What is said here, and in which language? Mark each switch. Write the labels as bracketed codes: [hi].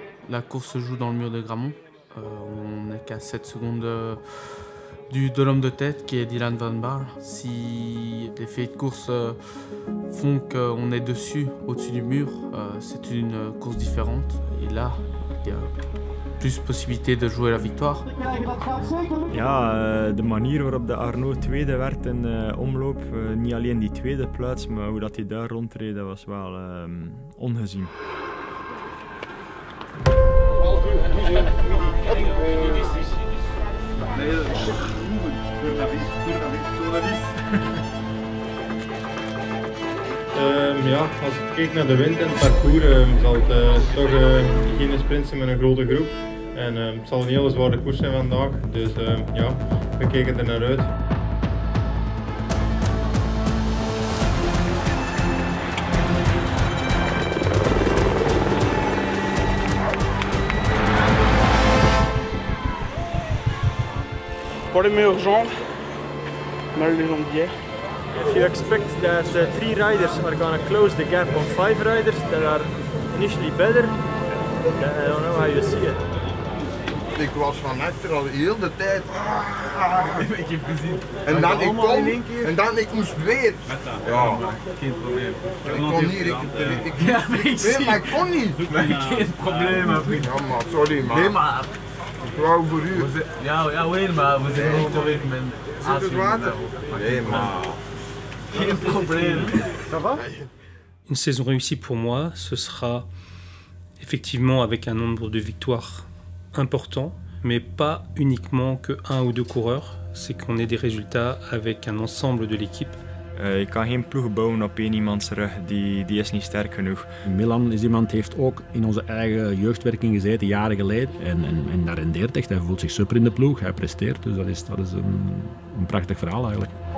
[fr] La course se joue dans le mur de Gramont. On n'est qu'à 7 secondes de l'homme de tête qui est Dylan Van Baarle. Si les faits de course font qu'on est dessus, au-dessus du mur, c'est une course différente. Et là, il y a plus possibilité de jouer la victoire. [nl] Ja, de manier waarop de Arnaud tweede werd in de omloop, niet alleen die tweede plaats, maar hoe dat hij daar rondreed, was wel ongezien. Als ik kijk naar de wind en het parcours, zal het toch geen sprint zijn met een grote groep. En het zal een hele zware koers zijn vandaag, dus we kijken er naar uit. [fr] Problème aux jambes, mal les jambes d'hier. [en] If you expect that three riders are going to close the gap on five riders that are initially better, then I don't know how you see it. [nl] Ik was van achter al heel de tijd. Ik heb gezien. En dan ik kom, in één keer. En dan ik moest weer. Ja, geen probleem. Ik kon hier. Ik kon niet. Geen probleem, vriend. Ja, maar sorry, man. Nee, maar. Ik wou voor u. Ja, weet maar. We zijn niet op een gegeven moment. Nee, maar. Geen probleem. [fr] Ça va? Une saison réussie pour moi, ce sera effectivement avec un nombre de victoires important, mais pas uniquement que un ou deux coureurs, c'est qu'on ait des résultats avec un ensemble de l'équipe. [nl] Je kan geen ploeg bouwen op één iemands rug, die is niet sterk genoeg. Milan is iemand die heeft ook in onze eigen jeugdwerking gezeten, jaren geleden. En daar rendeert echt, hij voelt zich super in de ploeg, hij presteert. Dus dat is een prachtig verhaal eigenlijk.